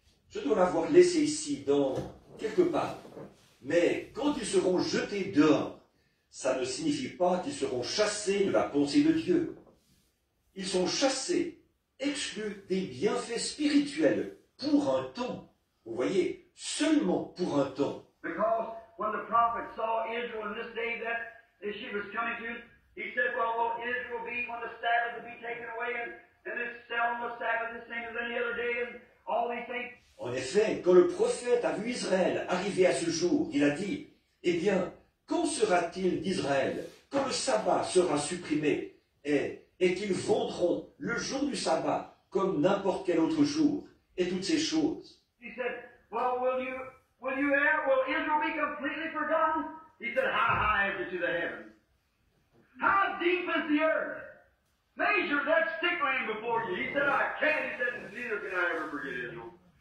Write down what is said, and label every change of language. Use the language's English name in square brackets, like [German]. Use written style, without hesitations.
[French] Je dois l'avoir laissée ici, dans quelque part. Mais quand ils seront jetés dehors, ça ne signifie pas qu'ils seront chassés de la pensée de Dieu. Ils sont chassés, exclus des bienfaits spirituels, pour un temps. Vous voyez, seulement pour un temps. [English] Because when the prophet saw Israel in this day that she was coming to, he said, well, will Israel be when the Sabbath will be taken away, and this selling the Sabbath the same as any other day, and all these things? [French] En effet, quand le prophète a vu Israël arriver à ce jour, il a dit, eh bien, quand sera-t-il d'Israël, quand le sabbat sera supprimé, et qu'ils vendront le jour du sabbat comme n'importe quel autre jour, et toutes ces choses. [English] He said, well, will Israel be completely forgotten? He said, how high is it to the heavens? How deep is the earth? Measure that stick lane before you. He said, I can't. He said, neither can I ever forget Israel.